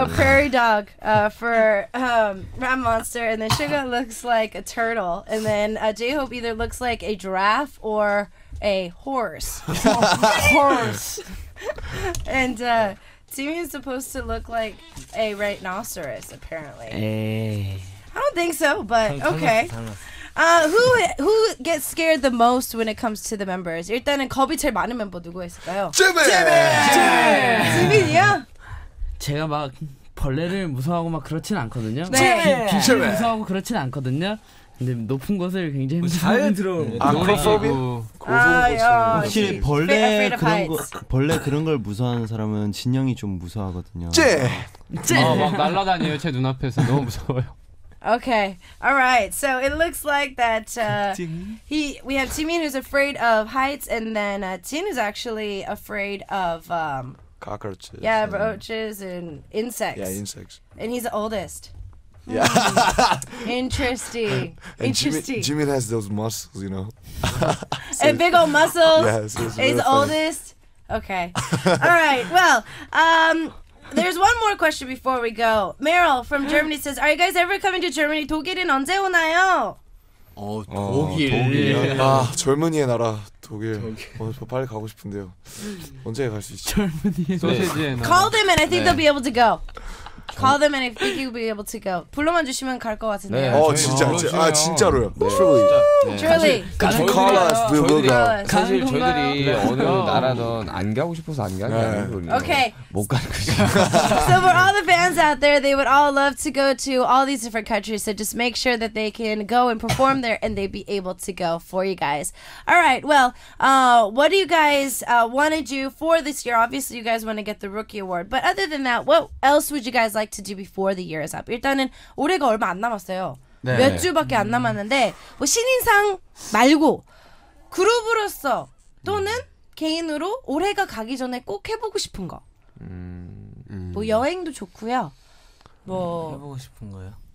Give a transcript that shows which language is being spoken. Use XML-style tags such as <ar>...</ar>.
<en>A prairie dog for Ram Monster, and then Sugar looks like a turtle, and then J-Hope either looks like a giraffe or a horse. horse. and Jimmy is supposed to look like a rhinoceros, apparently. Hey. I don't think so, but okay. who gets scared the most when it comes to the members?</en> <ko>일단은 겁이 제일 많은 멤버 누구가 있을까요? 지민! 지민이요? 제가 막 벌레를 무서워하고 막 그렇진 않거든요. 네. 비를 무서워하고 그렇진 않거든요. 근데 높은 곳을 굉장히 자연스러운 아크로포비? 확실히 벌레 그런 거 벌레 그런 걸 무서워하는 사람은 진영이 좀 무서워하거든요. 쨔! 막 날아다녀요 제 눈앞에서 너무 무서워요.</ko> <en>Okay. All right. So it looks like that we have Jimin who's afraid of heights, and then Jin is actually afraid of cockroaches. Yeah, roaches and insects. Yeah, insects. And he's the oldest. Yeah. Interesting. And interesting. Jimin has those muscles, you know. and big old muscles. Yeah, so he's the oldest. Okay. All right. Well, there's one more question before we go. Meryl from Germany says, are you guys ever coming to Germany?</en> <ko>독일은 언제 오나요? 독일. 아, 젊은이의 나라. 독일. 어, 빨리 가고 싶은데요. 언제 갈 수 있지? 젊은이의</ko> <en>소세지에 Call them and I think they'll be able to go. Call them and I think you'll be able to go.</en> <ko>불러만 주시면 갈 것 같은데. 네, 어 진짜 아, 아 진짜로요. 네. Truly. 네.</ko> <en>Truly. Can you call us? We will go.</en> <ko>사실 저희들이 어느 나라든 안 가고 싶어서 안 가는 거예요. 오케이. 못 가는 거지.</ko> <en>So for all the fans out there, they would all love to go to all these different countries. So just make sure that they can go and perform there, and they'd be able to go for you guys. All right. Well, what do you guys want to do for this year? Obviously, you guys want to get the Rookie Award. But other than that, what else would you guys like to do before the year is up?</en> <ko>일단은 올해가 얼마 안 남았어요. 네. 몇 주밖에 안 남았는데 뭐 신인상 말고 그룹으로서 또는 개인으로 올해가 가기 전에 꼭 해보고 싶은 거. 뭐 여행도 좋고요. 뭐 해보고 싶은 거요.</ko>